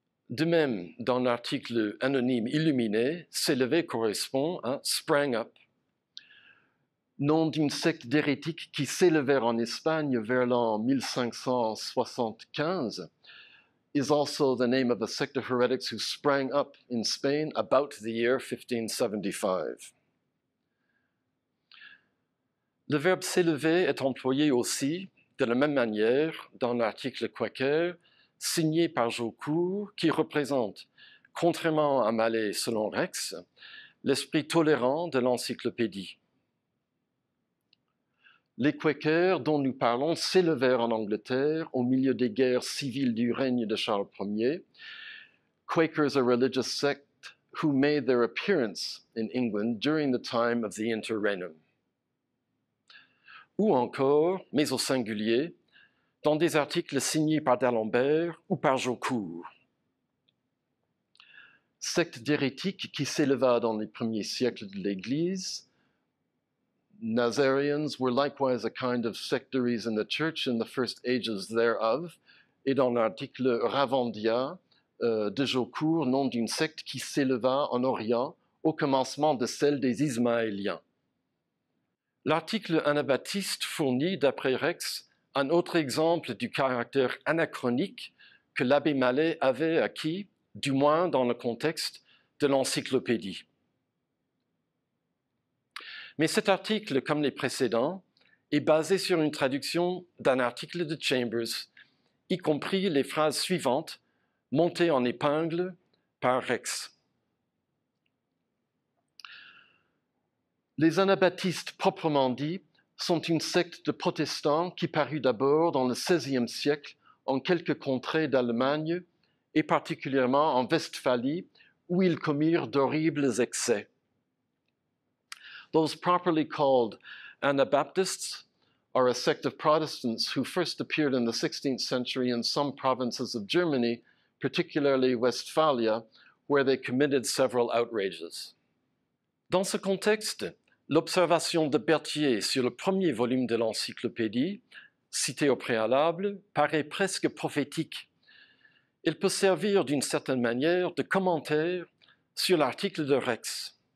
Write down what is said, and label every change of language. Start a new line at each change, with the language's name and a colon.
French: De même, dans l'article anonyme illuminé, s'élever correspond à
English: sprang up.
French: Nom d'une secte d'hérétiques qui s'élevèrent en Espagne vers l'an 1575.
English: Is also the name of a sect of heretics who sprang up in Spain about the year 1575.
French: Le verbe s'élever est employé aussi, de la même manière, dans l'article Quaker, signé par Jaucourt, qui représente, contrairement à Mallet selon Rex, l'esprit tolérant de l'encyclopédie. Les Quakers dont nous parlons s'élevèrent en Angleterre au milieu des guerres civiles du règne de Charles Ier.
English: Quakers, a religious sect who made their appearance in England during the time of the interregnum.
French: Ou encore, mais au singulier, dans des articles signés par D'Alembert ou par Jaucourt. Secte d'hérétique qui s'éleva dans les premiers siècles de l'Église.
English: Nazarians were likewise a kind of sectaries in the church in the first ages thereof.
French: Et dans l'article Ravandia de Jaucourt, nom d'une secte qui s'éleva en Orient au commencement de celle des Ismaéliens. L'article Anabaptiste fournit, d'après Rex, un autre exemple du caractère anachronique que l'abbé Mallet avait acquis, du moins dans le contexte de l'encyclopédie. Mais cet article, comme les précédents, est basé sur une traduction d'un article de Chambers, y compris les phrases suivantes, montées en épingle par Rex. Les anabaptistes, proprement dit, sont une secte de protestants qui parut d'abord dans le XVIe siècle en quelques contrées d'Allemagne, et particulièrement en Westphalie, où ils commirent d'horribles excès.
English: Those properly called Anabaptists are a sect of Protestants who first appeared in the 16th century in some provinces of Germany, particularly Westphalia, where they committed several outrages.
French: Dans ce contexte, l'observation de Berthier sur le premier volume de l'encyclopédie, cité au préalable, paraît presque prophétique. Elle peut servir d'une certaine manière de commentaire sur l'article de Rex.